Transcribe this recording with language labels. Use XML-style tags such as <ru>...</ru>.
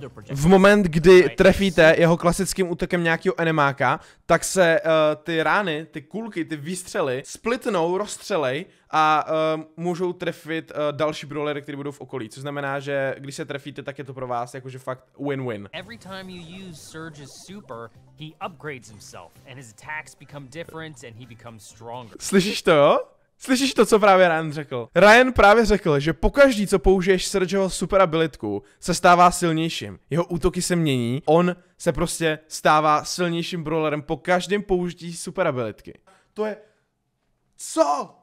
<cs>V moment, kdy trefíte jeho klasickým útokem nějakého animáka, tak se ty rány, ty kulky, ty výstřely splitnou, rozstřelej a můžou trefit další brawlery, které budou v okolí, což znamená, že když se trefíte, tak je to pro vás jakože fakt win-win.</cs> <en>Every time you use Surge's super, he upgrades himself and his attacks become different and he becomes stronger.</en> <cs>Slyšíš to, jo? Slyšíš to, co právě Ryan řekl? Ryan právě řekl, že pokaždý, co použiješ Surgeho super abilitku, se stává silnějším. Jeho útoky se mění, on se prostě stává silnějším brawlerem po každém použití super abilitky. To je... Co?</cs>